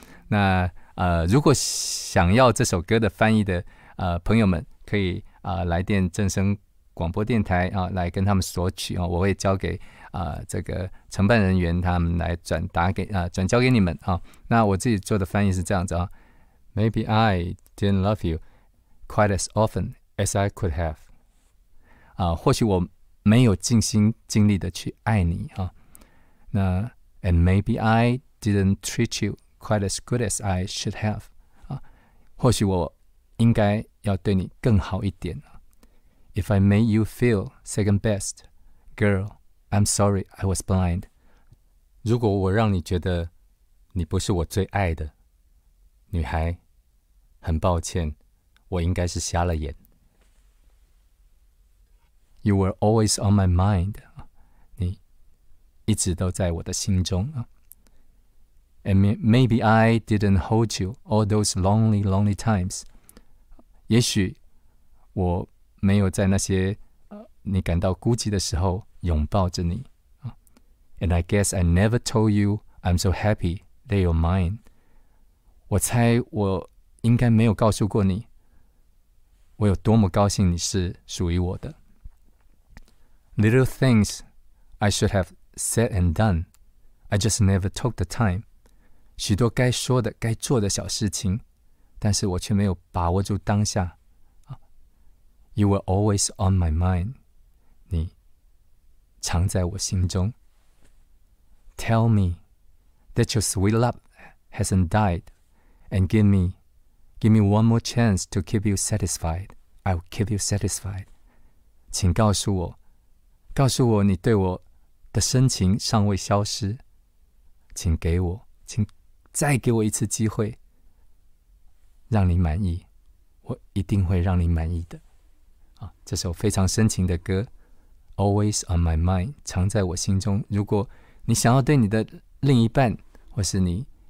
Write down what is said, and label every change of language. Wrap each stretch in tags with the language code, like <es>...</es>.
<zh>那如果想要这首歌的翻译的朋友们可以来电正声广播电台啊，来跟他们索取啊，我会交给这个承办人员，他们来转交给你们啊。那我自己做的翻译是这样子啊 ：</zh> <en>Maybe I didn't love you quite as often as I could have</en> <zh>啊，或许我没有尽心尽力的去爱你啊。</zh> <en>那 And maybe I didn't treat you quite as good as I should have 啊，</en> <zh>或许我应该要对你更好一点。</zh> <en>If I made you feel second best, girl, I'm sorry I was blind.</en> <zh>如果我让你觉得你不是我最爱的女孩，很抱歉，我应该是瞎了眼。</zh> <en>You were always on my mind.</en> <zh>你一直都在我的心中。</zh> <en>And maybe I didn't hold you all those lonely, lonely times.</en> <zh>也许我没有在那些你感到孤寂的时候拥抱着你。</zh> <en>And I guess I never told you I'm so happy that you're mine.</en> <zh>我猜我应该没有告诉过你我有多么高兴你是属于我的。</zh> <en>Little things I should have said and done, I just never took the time.</en> <zh>许多该说的该做的小事情，但是我却没有把握住当下。</zh> <en>You were always on my mind.</en> <zh>你常在我心中。</zh> <en>Tell me that your sweet love hasn't died. And give me one more chance to keep you satisfied. I'll keep you satisfied.</en> <zh>请告诉我你对我的深情尚未消失。请再给我一次机会让你满意。我一定会让你满意的。这首非常深情的歌 Always on my mind 常在我心中，如果你想要对你的另一半或是你</zh>